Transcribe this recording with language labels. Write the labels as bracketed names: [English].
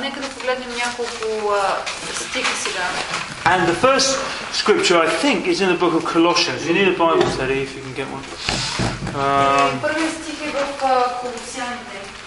[Bulgarian] Нека да погледнем няколко стиха сега. [English] And the first scripture I think is in the book of Colossians. You need a Bible study if you can get one. [Bulgarian] Първи стих е в Колосяните.